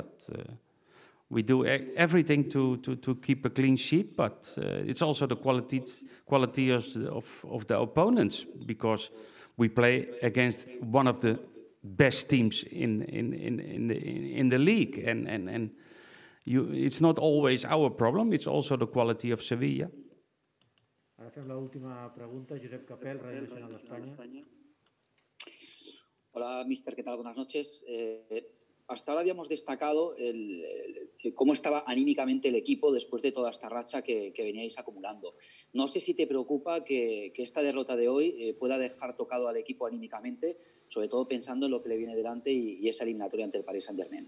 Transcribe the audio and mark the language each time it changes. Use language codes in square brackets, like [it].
[en] But we do everything to keep a clean sheet, but it's also the quality of the opponents, because we play against one of the best teams in the league, and you, it's not always our problem, it's also the quality of Sevilla. [ca] Ara fem l'última pregunta, Josep Capel, Radio Nacional d'Espanya. [es] Hola, mister, ¿qué tal? Buenas noches. Hasta ahora habíamos destacado cómo estaba anímicamente el equipo después de toda esta racha que veníais acumulando. No sé si te preocupa que esta derrota de hoy pueda dejar tocado al equipo anímicamente, sobre todo pensando en lo que le viene delante y esa eliminatoria ante el Paris Saint-Germain.